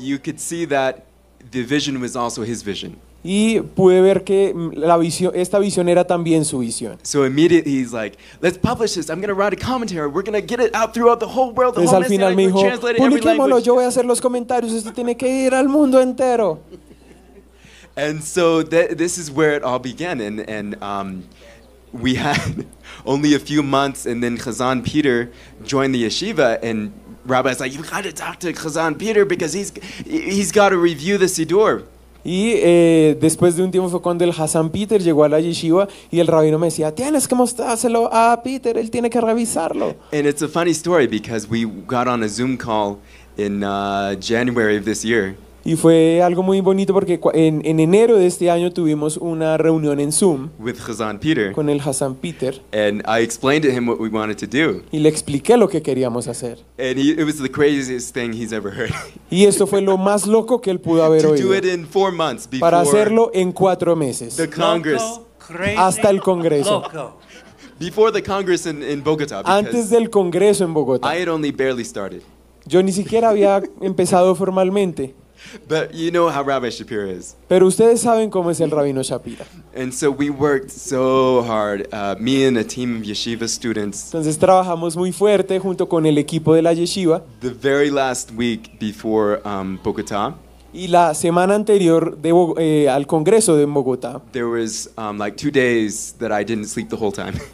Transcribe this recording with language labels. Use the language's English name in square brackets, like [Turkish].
[English] You could see that the vision was also his vision. [Spanish] Y pude ver que la visión, esta visión era también su visión. [English] So immediately he's like, let's publish this. I'm going to write a commentary. We're going to get it out throughout the whole world. [Spanish] Entonces al final me dijo, publiquémoslo, yo voy a hacer los comentarios. Esto tiene que ir al mundo entero. [English] And so this is where it all began. And we had only a few months, and then Chazan Peter joined the yeshiva, and Rabbi's like, you got to talk to Chazan Peter because he's got to review the Sidur. [Spanish] Y después de un tiempo fue cuando el Hassan Peter llegó a la yeshiva y el rabino me decía, tienes que mostrárselo a Peter, él tiene que revisarlo. [English] And it's a funny story because we got on a Zoom call in January of this year. [Spanish] Y fue algo muy bonito porque en enero de este año tuvimos una reunión en Zoom [English] with Hassan Peter. [Spanish] Con el Hassan Peter. [English] And I explained to him what we wanted to do. [Spanish] Y le expliqué lo que queríamos hacer. [English] And it was the craziest thing he's ever heard. [Spanish] Y esto fue lo más loco que él pudo haber [English] to [Spanish] oído. [English] Do it in 4 months before [Spanish] para hacerlo en 4 meses. [English] The Congress. [Spanish] Hasta el Congreso. [English] Before the Congress in Bogotá. [Spanish] Antes del Congreso en Bogotá. [English] I had only barely started. [Spanish] Yo ni siquiera había empezado formalmente. [English] But you know how Rabbi Shapira is. [Spanish] Pero ustedes saben cómo es el rabino Shapira. [English] And so we worked so hard, me and a team of yeshiva students. [Spanish] Entonces trabajamos muy fuerte junto con el equipo de la yeshiva. [English] The very last week before Bogotá. [Spanish] Y la semana anterior de al Congreso de Bogotá. [English] There was like 2 days that I didn't sleep the whole time.